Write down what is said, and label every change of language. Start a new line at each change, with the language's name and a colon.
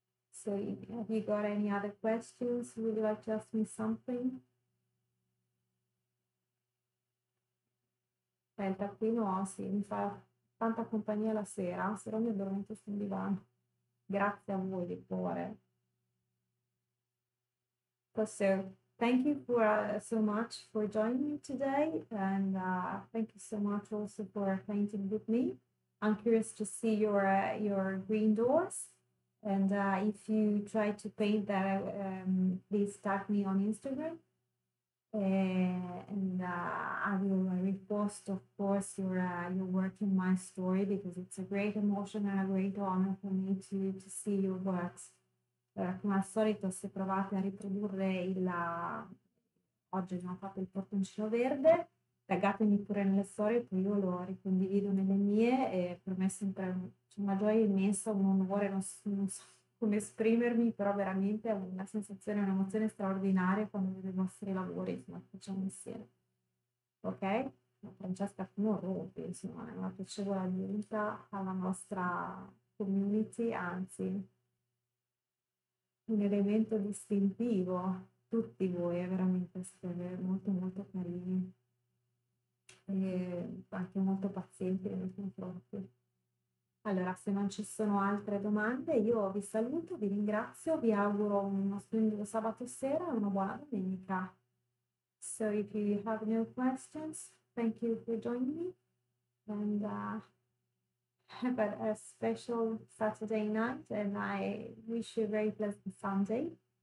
English: So, have you got any other questions? Would you like to ask me something?
Italian: Aspetta, qui no, sì, mi fa tanta compagnia la sera, se no mi addormento sul divano. Grazie a voi di cuore.
English: So, thank you so much for joining me today and thank you so much also for painting with me. I'm curious to see your green doors and if you try to paint that, please tag me on Instagram and I will repost, of course, your work in my story because it's a great emotion and a great honor for me to see your works.
Italian: Come al solito, se provate a riprodurre oggi abbiamo fatto il portoncino verde, taggatemi pure nelle storie, poi io lo ricondivido nelle mie e per me è sempre una gioia immensa, un onore, non so come esprimermi, però veramente è una sensazione, un'emozione straordinaria quando vedo i vostri lavori, insomma, facciamo insieme. Ok? Francesca, non rompi, insomma, è una piacevole aggiunta alla nostra community, anzi, un elemento distintivo. Tutti voi, è veramente molto, molto carini. E anche molto pazienti nei confronti. Allora, se non ci sono altre domande, io vi saluto, vi ringrazio, vi auguro uno splendido sabato sera e una buona domenica.
English: So, if you have no questions, thank you for joining me and have a special Saturday night and I wish you a very pleasant Sunday.